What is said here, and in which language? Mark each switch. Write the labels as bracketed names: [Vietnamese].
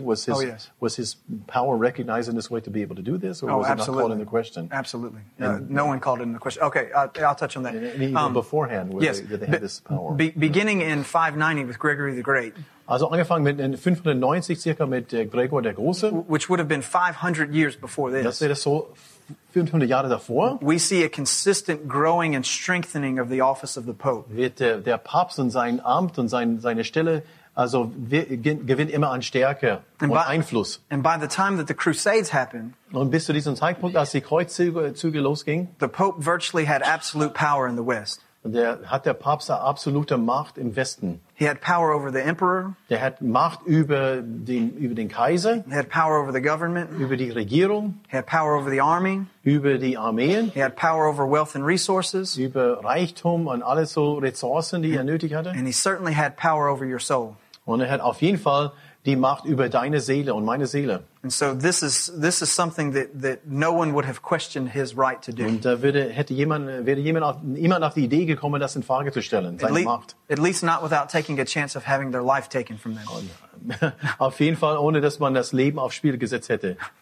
[English] Was his power recognized in this way to be able to do this, or was it not called in the question? Absolutely. No one called it in the question. Okay, I'll touch on that. Even beforehand, did they have this power? Beginning in 590 with Gregory the Great. [German] Also angefangen mit 590 circa mit Gregor der Große. [English] Which would have been 500 years before this. [German] Das wäre so 500 Jahre davor. [English] We see a consistent growing and strengthening of the office of the Pope. [German] Wird der Papst und sein Amt und seine Stelle, also gewinnt immer an Stärke und Einfluss. [English] And by the time that the Crusades happened, [German] und bis zu diesem Zeitpunkt, als die Kreuzzüge losgingen, [English] the Pope virtually had absolute power in the West. [German] Der Papst absolute Macht im Westen. [English] He had power over the emperor. [German] Der hat Macht über den Kaiser. [English] He had power over the government. [German] Über die Regierung. [English] He had power over the army. [German] Über die Armeen. [English] He had power over wealth and resources. [German] Über Reichtum und alle so Ressourcen, die er nötig hatte. [English] And he certainly had power over your soul. [German] Und hat auf jeden Fall die Macht über deine Seele und meine Seele. [English] And so this is something that no one would have questioned his right to do. [German] Und da wäre jemand auf die Idee gekommen, das in Frage zu stellen, seine Macht. [English] At least not without taking a chance of having their life taken from them. [German] Auf jeden Fall ohne, dass man das Leben aufs Spiel gesetzt hätte.